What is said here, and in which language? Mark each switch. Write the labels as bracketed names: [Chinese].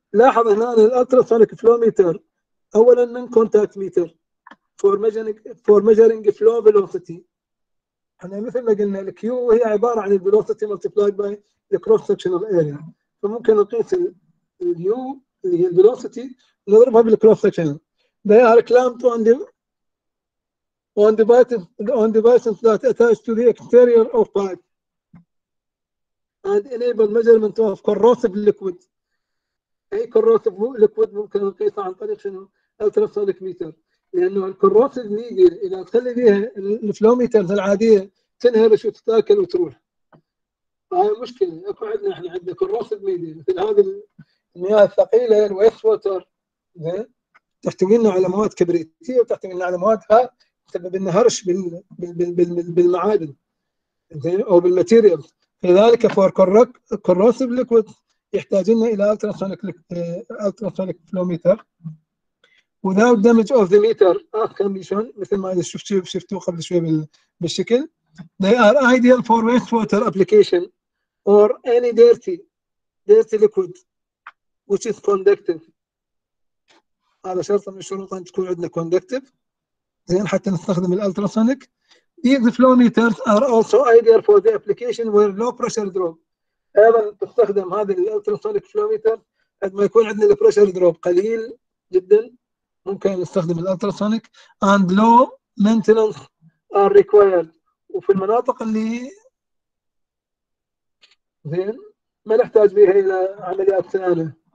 [Arabic] لاحظ هنا [English] الالتراسونيك flow meter [Arabic] اولا من [English] Contact meter for measuring flow velocity. [Arabic] احنا مثل ما قلنا الكيو هي عباره عن [English] الفيلوسيتي multiplied by الكروس sectional area, [Arabic] فممكن نقيس اليو اللي هي الفيلوسيتي نضربها بالكروس سكشن. [English] They are clamped on devices that attach to the exterior of pipe and enable measurement of corrosive liquid. [Arabic] اي corrosive liquid ممكن نقيسها عن طريق شنو؟ الالتراسونيك ميتر، لانه الكروسيف ميجر اذا تخلي بيها الفلوميترز العاديه تنهرش وتتاكل وتروح. هاي مشكله. اكو عندنا احنا عندنا كروسيف ميجر مثل هذه المياه الثقيله الويست ووتر، زين تحتوي لنا على مواد كبريتيه وتحتوي لنا على مواد ها تسبب لنا هرش بالمعادن زين او بالماتيريال. لذلك [English] for corrosive liquid [Arabic] يحتاج لنا الى التراسونيك فلوميتر [English] without damage of the meter earth condition، [Arabic] مثل ما شفتوه قبل شوي بالشكل. [English] They are ideal for wastewater application or any dirty liquid which is conductive. [Arabic] هذا شرط من الشروط ان تكون عندنا conductive زين حتى نستخدم الالتراسونيك. [English] These flow meters are also ideal for the application where low pressure drop. [Arabic] ايضا تستخدم هذه الالتراسونيك flow meter عندما يكون عندنا البريشر دروب قليل جدا، ممكن نستخدم الالتراسونيك. [English] and low maintenance are required, [Arabic] وفي المناطق اللي زين ما نحتاج بها الى عمليات ثانيه.